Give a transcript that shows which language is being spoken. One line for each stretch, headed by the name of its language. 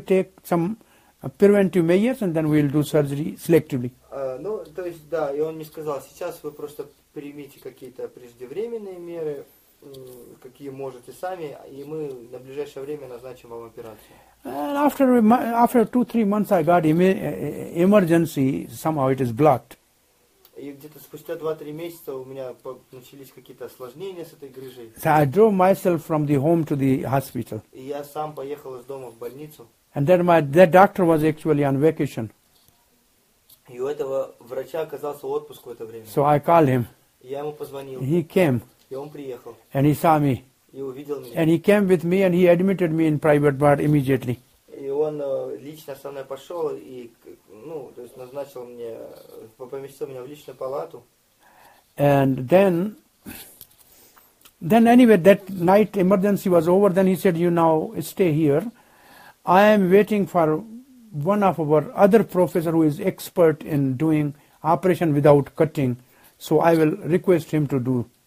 English: take some preventive measures and then we'll do surgery selectively.
Russian: Ну, то есть, да, и он мне сказал, сейчас вы просто примите какие-то преждевременные меры, какие можете сами, и мы на ближайшее время назначим вам операцию.
English: And after 2-3 months I got emergency, somehow it is blocked.
Russian: И где-то спустя 2-3 месяца у меня начались какие-то осложнения с этой грыжей.
English: So I drove myself from the home to the hospital.
Russian: И я сам поехал из дома в больницу.
English: And then that doctor was actually on vacation.
Russian: И у этого врача оказался отпуск в это время.
English: So I called him.
Russian: И я ему позвонил.
English: He came.
Russian: И он приехал.
English: And he saw me.
Russian: И увидел меня.
English: And he came with me and he admitted me in private ward immediately.
Russian: И он лично со мной пошел и, ну, то есть назначил мне, поместил меня в личную палату.
English: And then anyway, that night emergency was over, then he said, you now stay here. I am waiting for one of our other professor who is expert in doing operation without cutting. So I will request him to do.